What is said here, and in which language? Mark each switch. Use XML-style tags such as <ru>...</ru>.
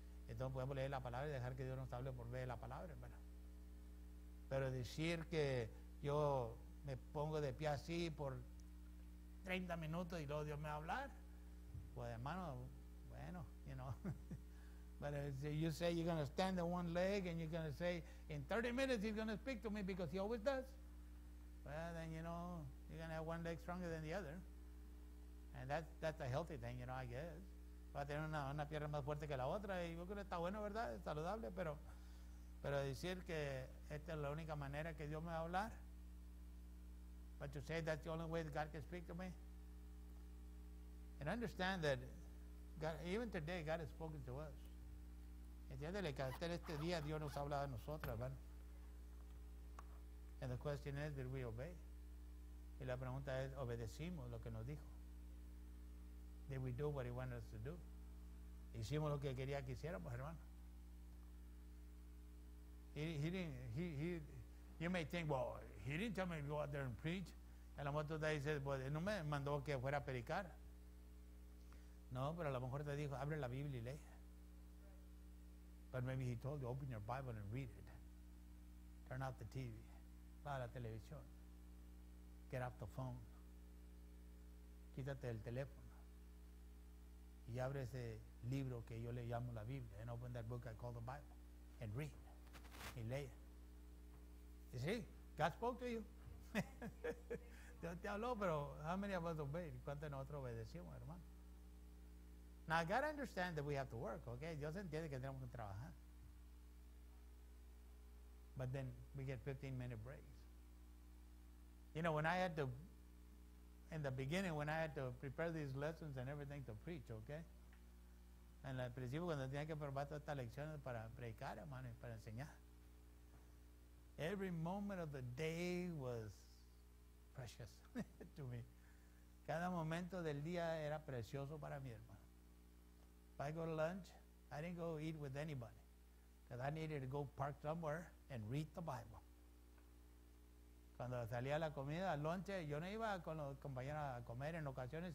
<es>Entonces podemos leer la palabra y dejar que Dios nos hable por medio de la palabra, hermano. Pero decir que yo me pongo de pie así por 30 minutos y luego Dios me va a hablar, pues hermano, bueno, you know.</es> <en>But if you say you're going to stand on one leg and you're going to say, in 30 minutes he's going to speak to me because he always does. Well, then, you know, you're going to have one leg stronger than the other. And that's a healthy thing, you know, I guess.</en> <es>Va a tener una pierna más fuerte que la otra. Y yo creo que está bueno, ¿verdad? Es saludable, pero decir que esta es la única manera que Dios me va a hablar.</es> <en>But to say that's the only way that God can speak to me. And understand that God, even today, God has spoken to us.</en> <es>Entiéndele que hasta este día Dios nos ha hablado a nosotros, hermano.</es> <en>And the question is, did we obey?</en> <es>Y la pregunta es, ¿obedecimos lo que nos dijo?</es> <en>Did we do what he wanted us to do?</en> <es>Hicimos lo que quería que hiciéramos, hermano.</es> <en>You may think, well, he didn't tell me to go out there and preach.</en> <es>A lo mejor tú te dices, pues, no me mandó que fuera a predicar. No, pero a lo mejor te dijo, abre la Biblia y lee.</es> <en>But maybe he told you, open your Bible and read it. Turn off the TV.</en> <es>Para la televisión.</es> <en>Get off the phone.</en> <es>Quítate el teléfono. Y abre ese libro que yo le llamo la Biblia.</es> <en>And open that book I call the Bible. And read.</en> <es>Y lee.</es> <en>You see? God spoke to you.</en> <es>Dios te habló, pero</es> <en>how many of us obeyed?</en> <es>¿Cuántos de nosotros obedecimos, hermano?</es> <en>Now, God understands that we have to work, okay?</en> <es>Dios entiende que tenemos que trabajar.</es> <en>But then we get 15-minute breaks. You know, when I had to, in the beginning, when I had to prepare these lessons and everything to preach, okay?</en> <es>En el principio, cuando tenía que preparar todas estas lecciones para predicar, hermano, para enseñar.</es> <en>Every moment of the day was precious to me.</en> <es>Cada momento del día era precioso para mi hermano.</es> <en>If I go to lunch, I didn't go eat with anybody. Because I needed to go park somewhere and read the Bible.</en> <es>Cuando salía la comida, lunch, yo no iba con los compañeros a comer en ocasiones.</es>